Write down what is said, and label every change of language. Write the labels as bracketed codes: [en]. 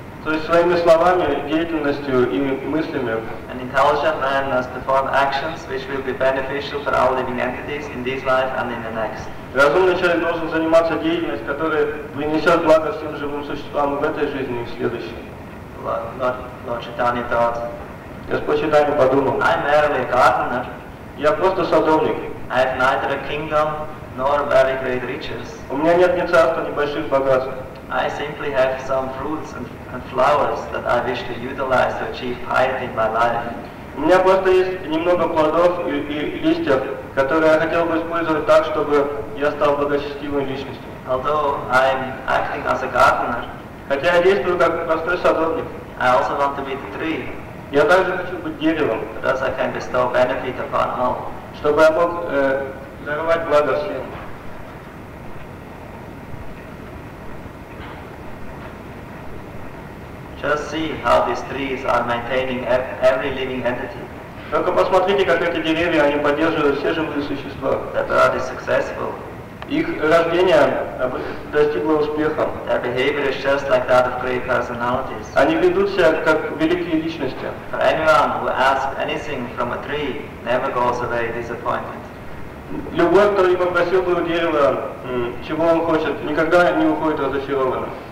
[ru] То есть своими словами, деятельностью и мыслями. [en] An intelligent man must perform actions which will be beneficial for all living entities in this life and in the next. [ru] Разумный человек должен заниматься деятельностью, которая принесет благо всем живым существам в этой жизни и в следующей. [en] Lord Chaitanya thought. [ru] Господь Чайтанья подумал. [en] I'm merely a gardener. [ru] Я просто садовник. [en] I have neither a kingdom nor very great riches. [ru] У меня нет ни царства, ни больших богатств. [en] I simply have some fruits and flowers that I wish to utilize to achieve piety in my life. [ru] У меня просто есть немного плодов и листьев, которые я хотел бы использовать так, чтобы я стал благочестивой личностью. [en] Although I'm acting as a gardener, [ru] хотя я действую как простой садовник, [en] I also want to be the tree. [ru] Я также хочу быть деревом, [en] thus I can bestow benefit upon all. [ru] Чтобы я мог даровать благо всем. [en] Just see how these trees are maintaining every living entity. [ru] Только посмотрите, как эти деревья, они поддерживают все живые существа. [en] That are successful. [ru] Их рождение достигло успеха. [en] Their behavior is just like that of great personalities. [ru] Они ведут себя как великие личности. [en] For anyone who asks anything from a tree never goes away disappointed. [ru] Любой, кто не попросил бы у дерева, чего он хочет, никогда не уходит разочарованным.